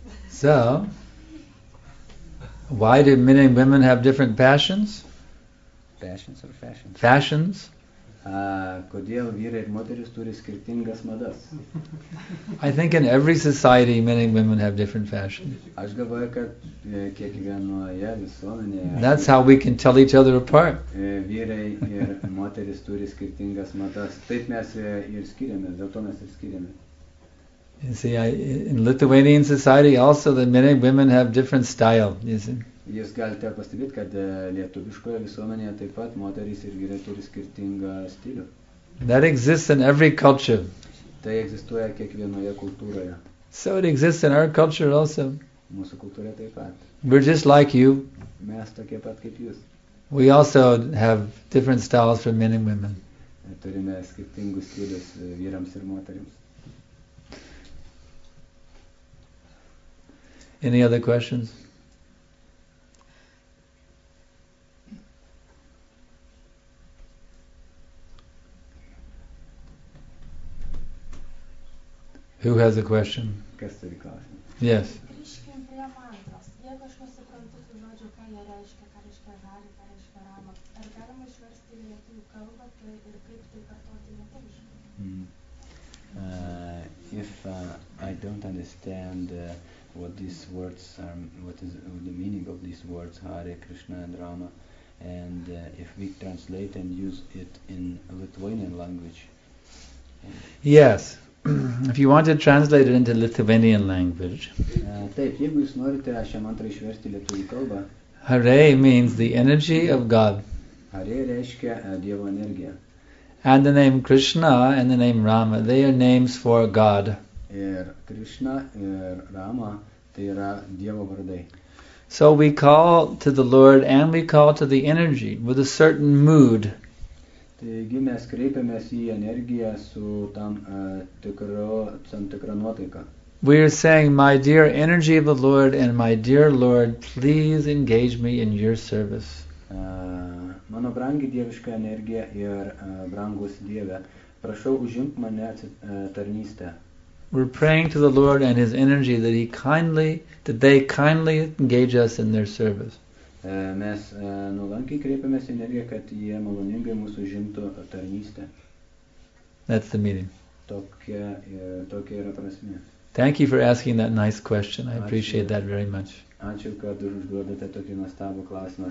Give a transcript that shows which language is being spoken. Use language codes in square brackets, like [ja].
[en] So, why do men and women have different passions? Passions or fashions? Fashions. [lt] Kodėl vyrai ir moteris turi skirtingas madas? [en] I think in every society men and women have different fashions. [lt] Aš galvoju, kad kiekvienoje visuomenėje. [en] That's how we can tell each other apart. [lt] Vyrai ir moteris turi skirtingas madas. Taip mes ir skiriamės, dėl to mes ir skiriamės. [en] You see, in Lithuanian society also the men and women have different style, you see. [lt] Jūs galite pastebėti, kad lietuviškoje visuomenėje taip pat moterys ir vyrai turi skirtingą stilių. [en] That exists in every culture. [lt] Tai egzistuoja kiekvienoje kultūroje. [en] So it exists in our culture also. [lt] Mūsų kultūroje taip pat. [en] We're just like you. [lt] Mes tokie pat kaip jūs. [en] We also have different styles for men and women. [lt] Turime skirtingus stilius vyrams ir moterims. [en] Any other questions? Who has a question? [lt] Kas turi klausimą? [en] Yes. [lt] Grįžkime prie mantros. Jeigu aš nesuprantu tų žodžių, ką jie reiškia, ką reiškia žalį, ką reiškia ramą, ar galima išversti į lietuvių kalbą ir kaip tai kartuoti lietuviškai? [en] If I don't understand what these words are, what is the meaning of these words, Hare Krishna and Rama, And if we translate and use it in Lithuanian language. Yes. If you want to translate it into Lithuanian language. [lt] Taip, jeigu jūs norite šią mantrą išversti lietuvių kalbą. [en] Hare means the energy of God. [lt] Hare reiškia Dievo energija. [en] And the name Krishna and the name Rama, they are names for God. [lt] Ir Krishna ir Rama, tai yra Dievo vardai. [en] So we call to the Lord and we call to the energy with a certain mood. [lt] Taigi mes kreipiamės į energiją su tam tikra nuotaika. [en] We are saying, my dear energy of the Lord and my dear Lord, please engage me in your service. [lt] Mano brangi dieviška energija ir brangus Dieve, prašau užimt mane tarnystę. [en] We're praying to the Lord and His energy that He kindly, that they kindly engage us in their service. [lt] Mes nuolankiai kreipiamės energiją, kad jie maloningai mūsų užimtų tarnystę. [en] That's the meaning. [lt] Tokia yra prasmė. [en] Thank you for asking that nice question. I appreciate that very much. [lt] Ačiū, kad užduodate tokį nuostabų klausimą.